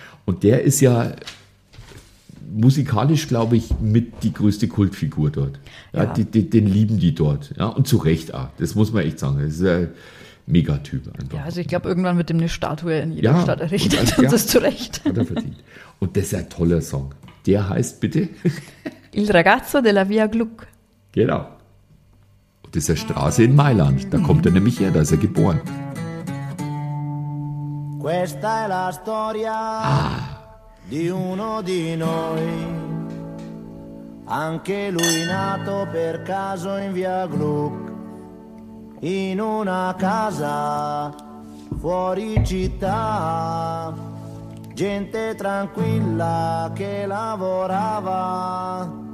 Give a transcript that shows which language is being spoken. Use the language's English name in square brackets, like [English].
[German] Und der ist ja musikalisch, glaube ich, mit die größte Kultfigur dort. Ja, ja. Den lieben die dort. Ja, und zu Recht auch. Das muss man echt sagen. Das ist ein Megatyp einfach. Ja, also ich glaube, irgendwann wird dem eine Statue in jeder Stadt errichtet. Und das ist zu Recht. Hat er verdient. Und das ist ein toller Song. Der heißt bitte? [Italian] Il ragazzo della Via Gluck. [German] Genau. Und das ist eine Straße in Mailand. Da kommt er nämlich her, da ist er geboren. [Italian] Questa è la storia di uno di noi, anche lui nato per caso in via Gluck, in una casa fuori città, gente tranquilla che lavorava,